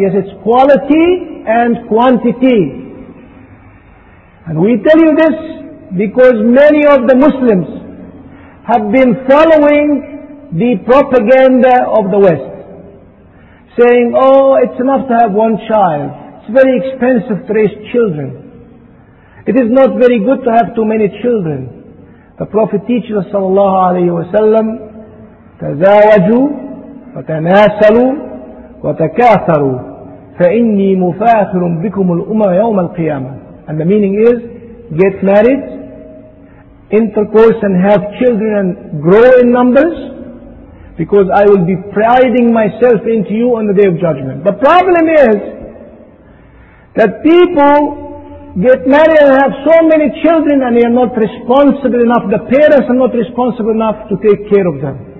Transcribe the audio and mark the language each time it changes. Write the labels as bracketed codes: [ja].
[en] Yes, it's quality and quantity. And we tell you this because many of the Muslims have been following the propaganda of the West, saying, oh, it's enough to have one child. It's very expensive to raise children. It is not very good to have too many children. [ar] The Prophet teaches us, sallallahu alayhi wa sallam, تَزَاوَجُوا وَتَنَاسَلُوا وَتَكَاثَرُوا فَإِنِّي مُفَاخِرٌ بِكُمُ الْأُمَّةِ يَوْمَ الْقِيَامَةِ. [en] And the meaning is, get married, intercourse and have children and grow in numbers, because I will be priding myself into you on the Day of Judgment. The problem is that people get married and have so many children and they are not responsible enough, the parents are not responsible enough to take care of them.